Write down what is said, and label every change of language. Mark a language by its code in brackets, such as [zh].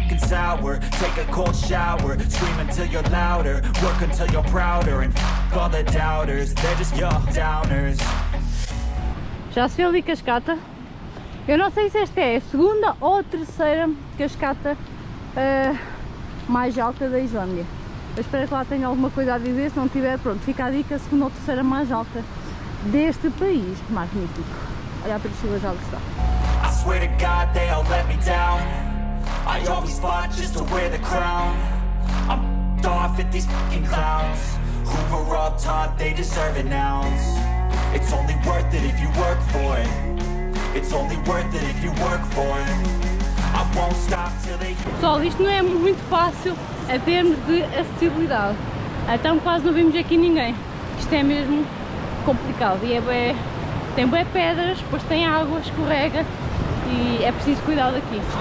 [en] Sour, take a cold shower, scream until you're louder, work until you're prouder, and f*** all the doubters, they're just your downers. [pt] Já se vê ali cascata. Eu não sei se esta é a segunda ou a terceira cascata mais alta da Islândia. Eu espero que lá tenha alguma coisa a dizer, se não tiver, pronto, fica a dica, a segunda ou a terceira mais alta deste país. Magnífico. Olha a perspectiva já que está. [en] I swear to God they all let me down. I always fought just to wear the crown. I'm f***ed off at these f***ing clowns. Hoover up taught they deserve an ounce. It's only worth it if you work for it. It's only worth it if you work for it. I won't stop till they... [pt] Pessoal, isto não é muito fácil em termos de acessibilidade. Então quase não vimos aqui ninguém. Isto é mesmo complicado. E é bem... Tem bem pedras, depois tem água, escorrega. E é preciso cuidar daqui.